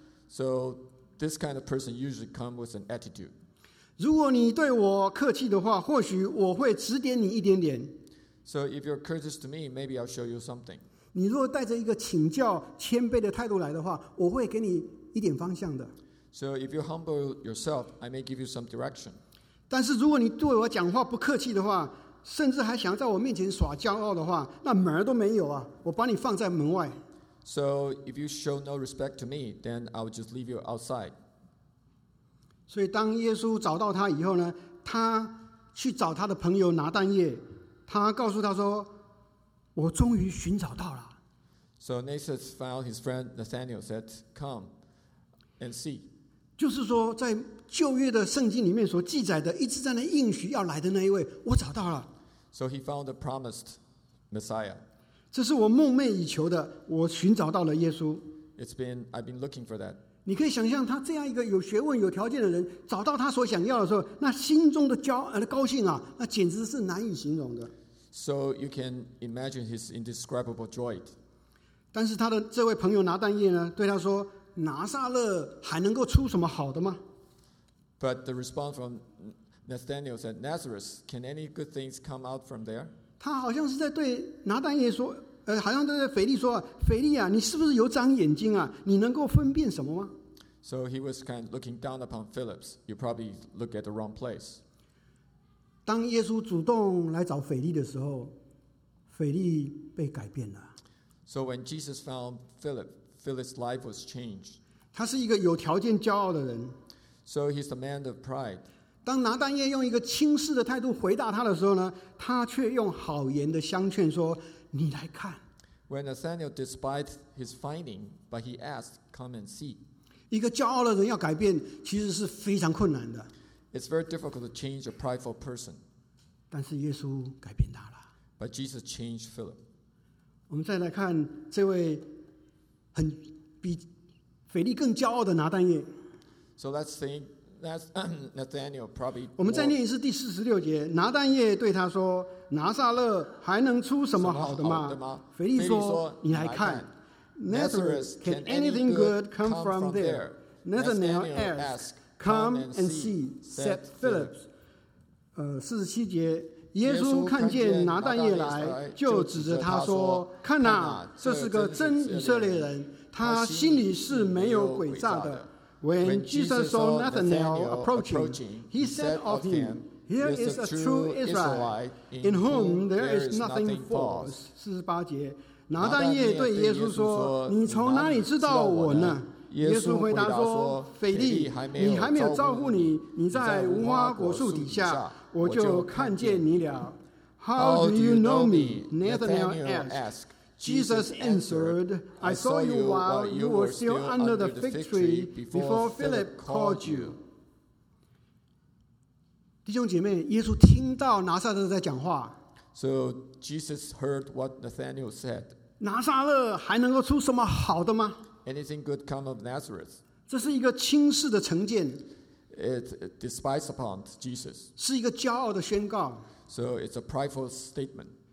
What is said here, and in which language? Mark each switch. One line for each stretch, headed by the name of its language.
English: So this kind of person usually comes with an attitude.
Chinese: 如果你对我客气的话，或许我会指点你一点点。
English: So if you're courteous to me, maybe I'll show you something.
Chinese: 你如果带着一个请教、谦卑的态度来的话，我会给你一点方向的。
English: So if you humble yourself, I may give you some direction.
Chinese: 但是如果你对我讲话不客气的话，甚至还想在我面前耍骄傲的话，那门都没有啊！我把你放在门外。
English: So if you show no respect to me, then I will just leave you outside.
Chinese: 所以当耶稣找到他以后呢，他去找他的朋友拿但业，他告诉他说：“我终于寻找到了。”
English: So Nathanael found his friend Nathanael said, "Come and see."
Chinese: 就是说，在旧约的圣经里面所记载的，一直在那应许要来的那一位，我找到了。
English: So he found the promised Messiah.
Chinese: 这是我梦寐以求的，我寻找到了耶稣。
English: I've been looking for that.
Chinese: 你可以想象他这样一个有学问、有条件的人，找到他所想要的时候，那心中的高兴啊，那简直是难以形容的。
English: So you can imagine his indescribable joy.
Chinese: 但是他的这位朋友拿但业呢，对他说：“拿撒勒还能够出什么好的吗
English: ？”But the response from Nathanael said, "Nazareth, can any good things come out from there?"
Chinese: 他好像是在对拿但业说，好像对腓力说：“腓力啊，你是不是有长眼睛啊？你能够分辨什么吗
English: ？”So he was kind of looking down upon Philip. You probably look at the wrong place.
Chinese: 当耶稣主动来找腓力的时候，腓力被改变了。
English: So when Jesus found Philip, Philip's life was changed.
Chinese: 他是一个有条件骄傲的人。
English: So he's the man of pride.
Chinese: 当拿但业用一个轻视的态度回答他的时候呢，他却用好言的相劝说：“你来看。”
English: When Nathanael despised his finding, but he asked, "Come and see."
Chinese: 一个骄傲的人要改变，其实是非常困难的。
English: It's very difficult to change a prideful person.
Chinese: 但是耶稣改变他了。
English: But Jesus changed Philip.
Chinese: 我们再来看这位很比腓力更骄傲的拿但业。
English: So let's think. That's Nathanael, probably.
Chinese: 我们再念一次第四十六节。拿但业对他说：“拿撒勒还能出什么好的吗？” 腓力说：“你来看。”
English: Nazareth, can anything good come from there? Nathanael asked, "Come and see," said Philip.
Chinese: 四十七节，耶稣看见拿但业来，就指着他说：“看哪，这是个真以色列人，他心里是没有诡诈的。”
English: When Jesus saw Nathanael approaching, he said of him, "Here is a true Israelite, in whom there is nothing false."
Chinese: 四十八节，拿但业对耶稣说：“你从哪里知道我呢？” 耶稣回答说：“腓力，你还没有招呼你，你在无花果树底下，我就看见你了。”
English: How do you know me? Nathanael asked. Jesus answered, "I saw you while you were still under the fig tree before Philip called you."
Chinese: 弟兄姐妹，耶稣听到拿撒勒在讲话。
English: So Jesus heard what Nathanael said.
Chinese: 拿撒勒还能够出什么好的吗?
English: Anything good come of Nazareth?
Chinese: 这是一个轻视的成见。
English: It despised upon Jesus.
Chinese: 是一个骄傲的宣告。
English: So it's a prideful statement.